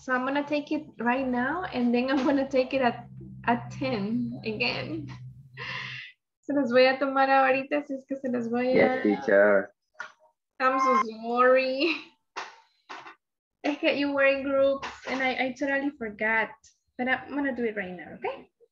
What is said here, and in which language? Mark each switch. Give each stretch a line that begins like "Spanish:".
English: So I'm gonna take it right now and then I'm gonna take it at 10 again.
Spanish: Se las voy a tomar ahorita, si es que se las voy a...
English: Yes, teacher. I'm so sorry.
Spanish: Es que
English: you were in groups and I totally forgot. But I'm gonna do it right now, okay?